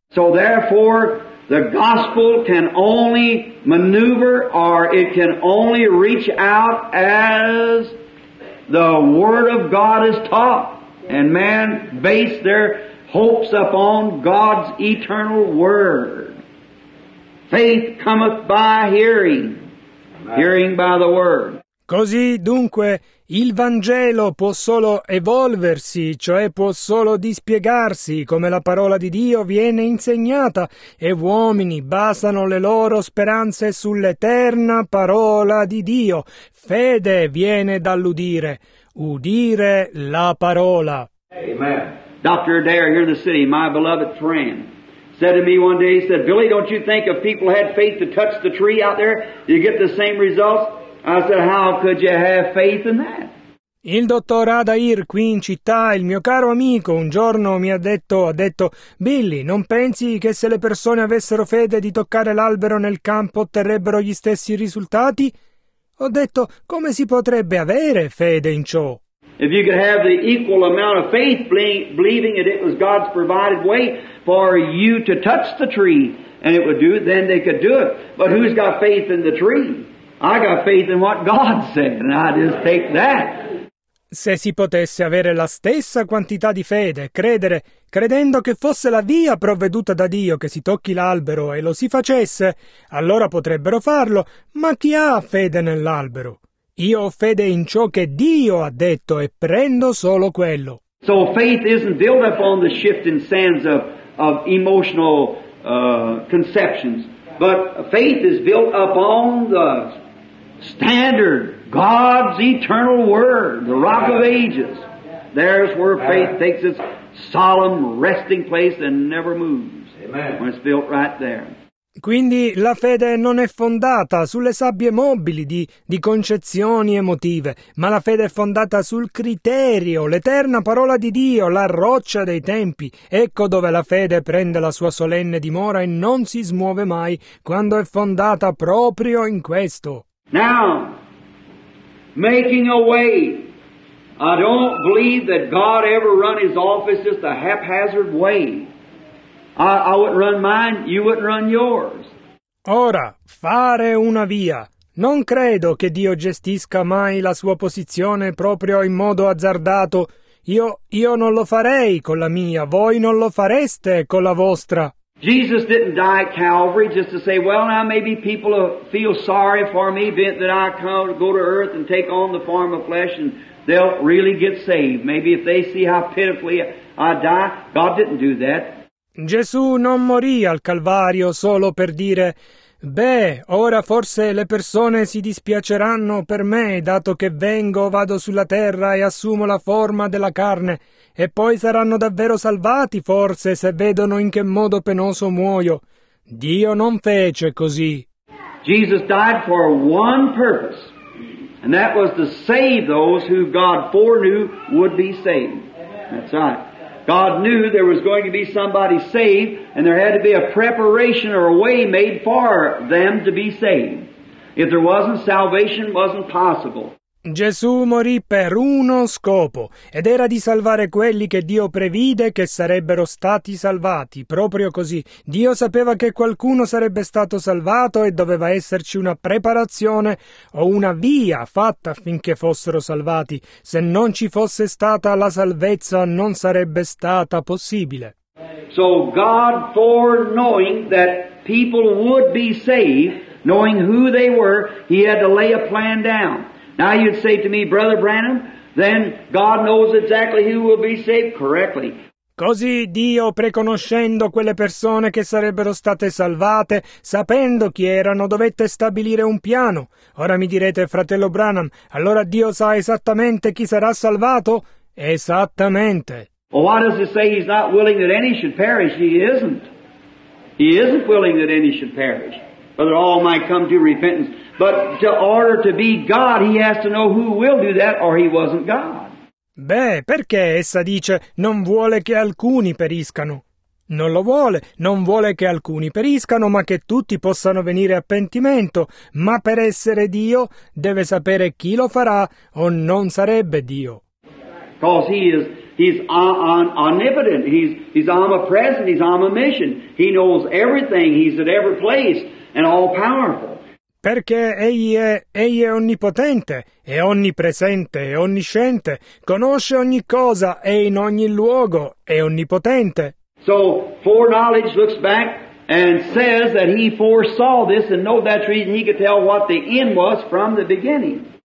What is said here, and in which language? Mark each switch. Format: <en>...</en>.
<en>So therefore, the gospel can only maneuver, or it can only reach out as the word of God is taught, and man base their hopes upon God's eternal word. Faith cometh by hearing, hearing by the word.</en> <it>Così dunque il Vangelo può solo evolversi, cioè può solo dispiegarsi come la parola di Dio viene insegnata, e uomini basano le loro speranze sull'eterna parola di Dio. Fede viene dall'udire, udire la parola.</it> <en>Amen. Dr. Adair, here in the city, my beloved friend, said to me one day, he said, Billy, don't you think if people had faith to touch the tree out there, you get the same results? I said, how could you have faith in that?</en> <it>Il dottor Adair qui in città, il mio caro amico, un giorno mi ha detto, Billy, non pensi che se le persone avessero fede di toccare l'albero nel campo otterrebbero gli stessi risultati? Ho detto, come si potrebbe avere fede in ciò?</it> <en>If you could have the equal amount of faith believing that it was God's provided way for you to touch the tree and it would do it, then they could do it. But who's got faith in the tree? I got faith in what God said, and I just take that.</en> <it>Se si potesse avere la stessa quantità di fede, credere, credendo che fosse la via provveduta da Dio che si tocchi l'albero e lo si facesse, allora potrebbero farlo, ma chi ha fede nell'albero? Io ho fede in ciò che Dio ha detto e prendo solo quello.</it> <en>So faith isn't built upon the shifting sands of emotional conceptions, but faith is built upon the standard, God's eternal word, the rock of ages. There's where faith takes its solemn resting place and never moves. Amen. When it's built right there.</en> <it>Quindi la fede non è fondata sulle sabbie mobili di concezioni emotive, ma la fede è fondata sul criterio, l'eterna parola di Dio, la roccia dei tempi. Ecco dove la fede prende la sua solenne dimora e non si smuove mai quando è fondata proprio in questo.</it> <en>Now, making a way. I don't believe that God ever run his offices the haphazard way. I wouldn't run mine, you wouldn't run yours.</en> <it>Ora, fare una via. Non credo che Dio gestisca mai la sua posizione proprio in modo azzardato. Io non lo farei con la mia, voi non lo fareste con la vostra.</it> <en>Jesus didn't die at Calvary just to say, well, now maybe people feel sorry for me, bent that I come to go to earth and take on the form of flesh and they'll really get saved. Maybe if they see how pitifully I die. God didn't do that.</en> <it>Gesù non morì al Calvario solo per dire, beh, ora forse le persone si dispiaceranno per me, dato che vado sulla terra e assumo la forma della carne, e poi saranno davvero salvati forse se vedono in che modo penoso muoio. Dio non fece così.</it> <en>Jesus died for one purpose, and that was to save those who God foreknew would be saved. That's right. God knew there was going to be somebody saved, and there had to be a preparation or a way made for them to be saved. If there wasn't, salvation wasn't possible.</en> <it>Gesù morì per uno scopo, ed era di salvare quelli che Dio previde che sarebbero stati salvati, proprio così. Dio sapeva che qualcuno sarebbe stato salvato e doveva esserci una preparazione o una via fatta affinché fossero salvati. Se non ci fosse stata la salvezza, non sarebbe stata possibile.</it> <en>So God, foreknowing that people would be saved, knowing who they were, he had to lay a plan down. Now you'd say to me, Brother Branham, then God knows exactly who will be saved correctly.</en> <it>Così Dio, preconoscendo quelle persone che sarebbero state salvate, sapendo chi erano, dovette stabilire un piano. Ora mi direte, fratello Branham, allora Dio sa esattamente chi sarà salvato? Esattamente.</it> <en>Well, why does it say he's not willing that any should perish? He isn't. He isn't willing that any should perish. Or that all might come to repentance. But to order to be God, he has to know who will do that, or he wasn't God.</en> <it>Beh, perché essa dice non vuole che alcuni periscano? Non lo vuole, non vuole che alcuni periscano, ma che tutti possano venire a pentimento. Ma per essere Dio, deve sapere chi lo farà, o non sarebbe Dio.</it> <en>Because he's omnipotent, he's omnipresent, he's omniscient. He knows everything, he's at every place, and all powerful.</en> <it>Perché egli è onnipotente, è onnipresente, è onnisciente, conosce ogni cosa, è in ogni luogo, è onnipotente.</it> <en>So foreknowledge looks back and says that he foresaw this, and know that's the reason he could tell what the end was from the beginning.</en>